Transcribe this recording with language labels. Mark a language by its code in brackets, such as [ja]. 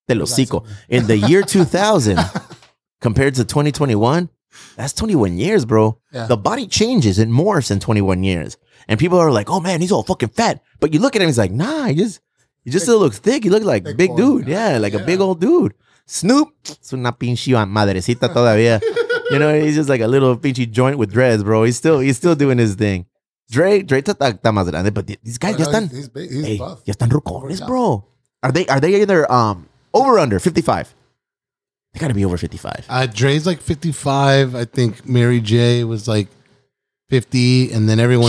[en] Te lo cico. In the year 2000. Compared to 2021, that's 21 years, bro. Yeah. The body changes and morphs in 21 years. And people are like, oh, man, he's all fucking fat. But you look at him, he's like, nah, he just still looks thick. He looks like a big boy, dude. Yeah, like a big old dude. [es] Snoop, es una pinche madrecita todavía. [en] You know, he's just like a little pinchy joint with dreads, bro. He's still doing his thing. [es] Dre está más grande. [en] But these guys, he's buff. [es] Ya están rucones, bro. [en] Are they either over or under 55? They gotta be over 55. Dre's like 55. I think Mary J was like 50. And then everyone